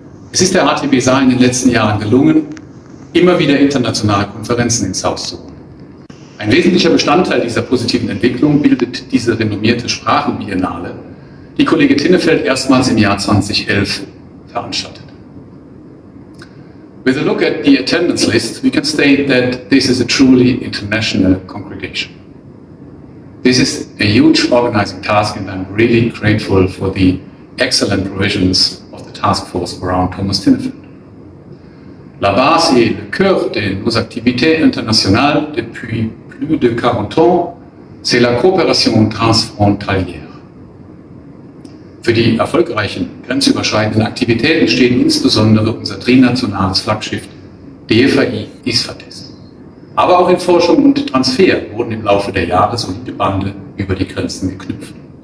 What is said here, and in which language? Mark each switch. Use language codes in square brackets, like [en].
[de] Es ist der ATB Saar in den letzten Jahren gelungen, immer wieder internationale Konferenzen ins Haus zu holen. Ein wesentlicher Bestandteil dieser positiven Entwicklung bildet diese renommierte Sprachenbiennale, die Kollege Tinnefeld erstmals im Jahr 2011 veranstaltet. [en] With a look at the attendance list, we can state that this is a truly international congregation. This is a huge organizing task, and I'm really grateful for the excellent provisions of the task force around Thomas Tinnefeld. [fr] La base et le cœur de nos activités internationales depuis plus de 40 ans, c'est la coopération transfrontalière. [de] Für die erfolgreichen grenzüberschreitenden Aktivitäten steht insbesondere unser trinationales Flaggschiff DFI ISFATES. Aber auch in Forschung und Transfer wurden im Laufe der Jahre solide Bande über die Grenzen geknüpft.